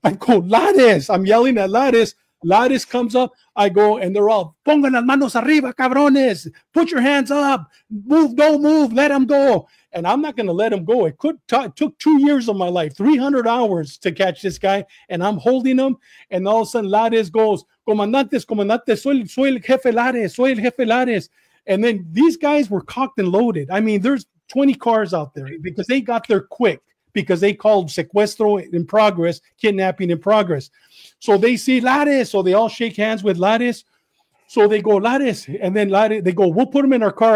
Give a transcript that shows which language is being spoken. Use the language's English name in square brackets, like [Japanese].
[English] I go, Lattis. I'm yelling at Lattis. Lattis comes up. I go, and they're all, [Spanish] pongan las manos arriba, cabrones. [English] Put your hands up. Move, go, move. Let them go. And I'm not going to let him go. It took 2 years of my life, 300 hours to catch this guy, and I'm holding him. And all of a sudden, Lares goes, [Spanish] comandantes, comandantes, soy el jefe Lares, soy el jefe Lares. [English] And then these guys were cocked and loaded. I mean, there's 20 cars out there because they got there quick. because they called sequestro in progress, kidnapping in progress. So they see Lares, so they all shake hands with Lares. So they go, Lares, and then Lares, they go, we'll put him in our car.